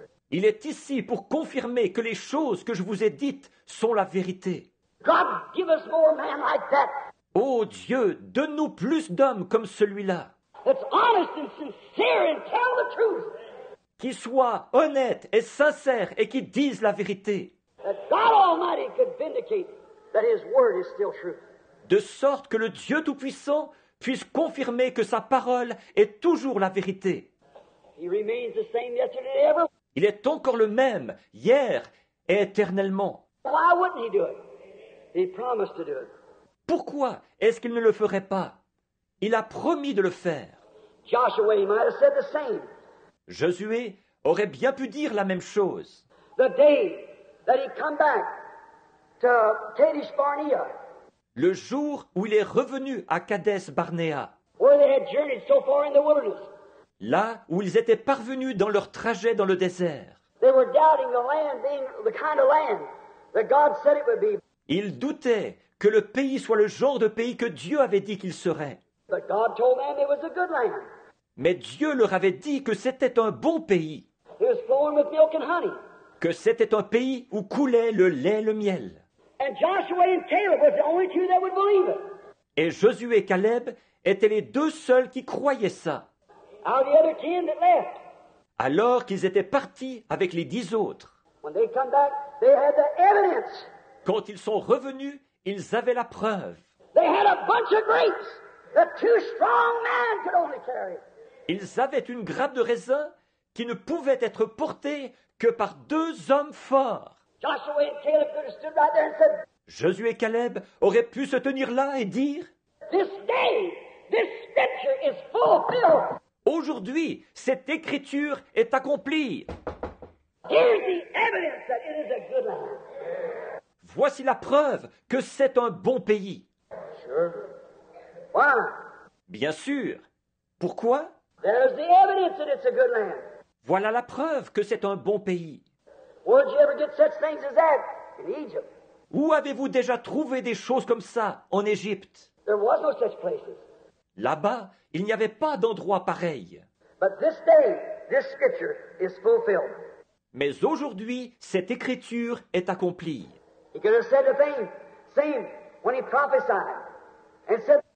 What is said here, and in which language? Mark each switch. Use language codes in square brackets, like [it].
[fr] Il est ici pour confirmer que les choses que je vous ai dites sont la vérité. [en] God, give us more man like that. [fr] Oh Dieu, donne-nous plus d'hommes comme celui-là. [en] That's honest and sincere and tell the truth. [fr] Qui soient honnêtes et sincères et qui disent la vérité. [en] That God Almighty could vindicate that his word is still true. [fr] De sorte que le Dieu Tout-Puissant puisse confirmer que sa parole est toujours la vérité. [en] He remains the same yesterday, ever. [fr] Il est encore le même, hier et éternellement. [en] Why wouldn't he do it? He promised to do it. [fr] Pourquoi est-ce qu'il ne le ferait pas? Il a promis de le faire. [en] Joshua, he might have said the same. [fr] Josué aurait bien pu dire la même chose. [en] The day that he come back to Kadesh Barnea. [fr] Le jour où il est revenu à Kadesh Barnea, [en] where they had journeyed so far in the wilderness, [fr] là où ils étaient parvenus dans leur trajet dans le désert, [en] they were doubting the land being the kind of land that God said it would be. [fr] Ils doutaient que le pays soit le genre de pays que Dieu avait dit qu'il serait. [en] But God told them it was a good land. [fr] Mais Dieu leur avait dit que c'était un bon pays. [en] It was flowing with milk and honey. [fr] Que c'était un pays où coulait le lait et le miel. [en] And Joshua and Caleb were the only two that would believe it. [fr] Et Josué et Caleb étaient les deux seuls qui croyaient ça. [en] Out of the other 10 that left. [fr] Alors qu'ils étaient partis avec les 10 autres. [en] When they come back, they had the evidence. [fr] Quand ils sont revenus, ils avaient la preuve. [en] They had a bunch of grapes that two strong men could only carry. [fr] Ils avaient une grappe de raisin qui ne pouvait être portée que par deux hommes forts. [en] Joshua and Caleb could have stood right there and said, [fr] Josué et Caleb auraient pu se tenir là et dire, [en] this day, this scripture is fulfilled. [fr] Aujourd'hui, cette écriture est accomplie. [en] Here's the evidence that it is a good land. [fr] Voici la preuve que c'est un bon pays. [en] Sure. Why? [fr] Bien sûr. Pourquoi? [en] There's the evidence that it's a good land. [fr] Voilà la preuve que c'est un bon pays. [en] Where did you ever get such things as that in Egypt? [fr] Où avez-vous déjà trouvé des choses comme ça en Égypte? [en] There was no such places. [fr] Là-bas, il n'y avait pas d'endroit pareil. [en] But this day, this scripture is fulfilled. [fr] Mais aujourd'hui, cette écriture est accomplie. [en] He could have said the same when he prophesied and said,